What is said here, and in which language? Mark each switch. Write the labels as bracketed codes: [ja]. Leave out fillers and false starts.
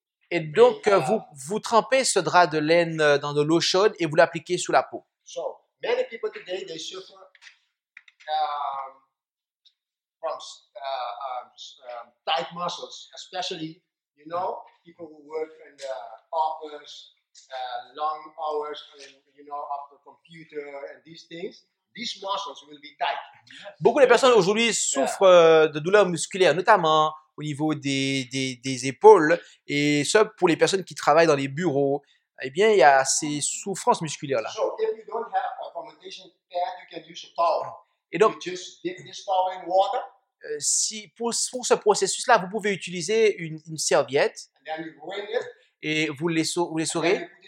[fr] Et donc, vous trempez ce drap de laine dans de l'eau chaude et vous l'appliquez sous la peau. [en] So, many people today, they suffer from tight muscles, especially, you know, people who work in the office, long hours, you know, up the computer and these things, these muscles will be tight. Yes. [fr] Beaucoup de personnes aujourd'hui souffrent de douleurs musculaires, notamment au niveau des épaules, et ça pour les personnes qui travaillent dans les bureaux, eh bien, il y a ces souffrances musculaires-là. [en] So, if you don't have a fermentation pad, you can use a towel. [fr] Et donc, [en] you just dip this towel in water. [fr] Si pour ce processus-là, vous pouvez utiliser une serviette et vous l'essorez.